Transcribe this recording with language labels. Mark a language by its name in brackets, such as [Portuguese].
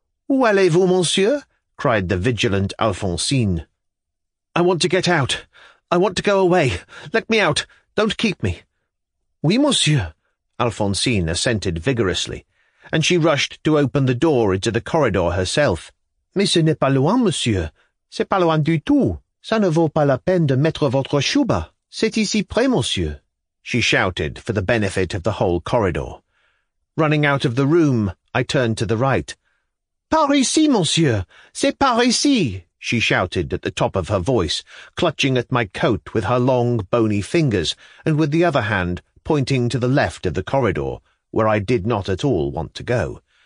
[French] Où allez-vous, monsieur? [English] Cried the vigilant Alphonsine. I want to get out. I want to go away. Let me out. Don't keep me. [French] Oui, monsieur, [English] Alphonsine assented vigorously, and she rushed to open the door into the corridor herself. [French] Mais ce n'est pas loin, monsieur. C'est pas loin du tout. Ça ne vaut pas la peine de mettre votre chouba. C'est ici près, monsieur, [English] she shouted for the benefit of the whole corridor. Running out of the room, I turned to the right. [French] Par ici, monsieur! C'est par ici! [English] She shouted at the top of her voice, clutching at my coat with her long, bony fingers, and with the other hand pointing to the left of the corridor, where I did not at all want to go.